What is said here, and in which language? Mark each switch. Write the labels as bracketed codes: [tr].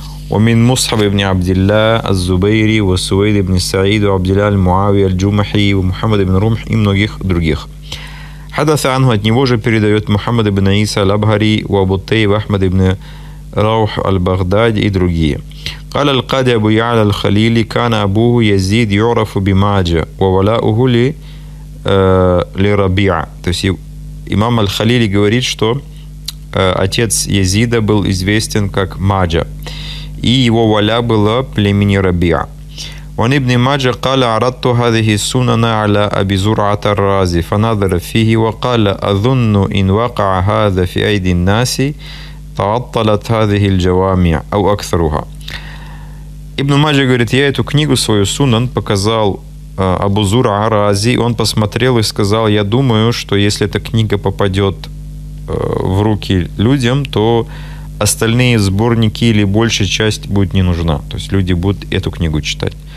[ru] Ва мин Мусхаб ибн Абдилля аз-Зубейри ва Сувейд ибн Саид ва Абдилля аль-Муави аль-Джумахи ва Мухаммад ибн Румх и многих других. [ar] Хадаса анху, [ru] от него же передает Мухаммад ибн Иса аль-Абхари ва Абутей ва Ахмад ибн Раух аль-Багдади и другие. [ar] قال القاضي أبو يعلى الخليلي كان أبوه يزيد يعرف بماجة وولاؤه لربيع. [ru] То есть имам аль-Халили говорит, что отец Язида был известен как Маджа, и его валя было племени Рабиа. [ar] وعن ابن ماجه قال عرضت هذه السنن على أبي زرعة الرازي فنظر فيه وقال أظن إن وقع هذا في أيدي الناس تعطلت هذه الجوامع أو أكثرها. [ru] Ибн Маджа говорит, я эту книгу свою Суннан показал Абу Зура Арази, он посмотрел и сказал, я думаю, что если эта книга попадет в руки людям, то остальные сборники или большая часть будет не нужна, то есть люди будут эту книгу читать.